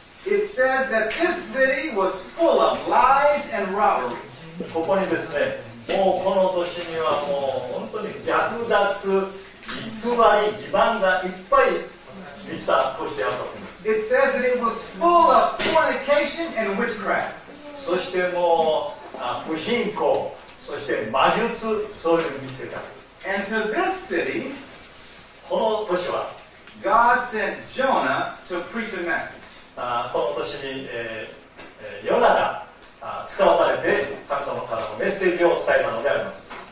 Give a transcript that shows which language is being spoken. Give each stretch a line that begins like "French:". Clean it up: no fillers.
English: It says that this city was full of lies and robbery.
Japanese: ここにですね、もうこの都市にはもう本当に略奪、偽り、欺瞞がいっぱい満ちた都市であったんです。
English: It says that it was full of fornication and witchcraft.
Japanese: そしてもう、不貧困、そして魔術、そういうのに満ちてた。
English: And to this city,
Japanese: この都市は、
English: God sent Jonah to preach a message.
Japanese: この年に、ヨナが使わされて神様からのメッセージを伝えたのであります。